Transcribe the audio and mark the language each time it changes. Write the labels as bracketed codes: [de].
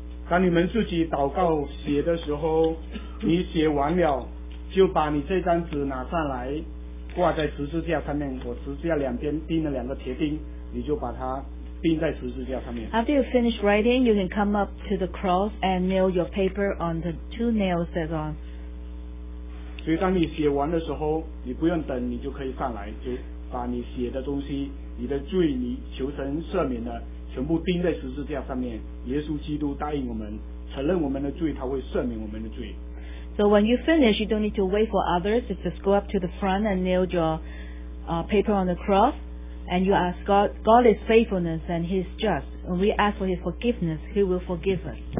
[zh] 当你们自己祷告写的时候，你写完了就把你这张纸拿上来挂在十字架上面。我十字架两边钉了两个铁钉，你就把它钉在十字架上面。 [en] After you finish writing, you can come up to the cross and nail your paper on the two nails that's on. [zh] 所以当你写完的时候，你不用等，你就可以上来，就把你写的东西，你的罪，你求神赦免的全部钉在十字架上面。耶稣基督答应我们，承认我们的罪，他会赦免我们的罪。 [en] So when you finish, you don't need to wait for others. Just go up to the front and nail your paper on the cross. And you ask God is faithfulness and He is just. When we ask for His forgiveness, He will forgive us.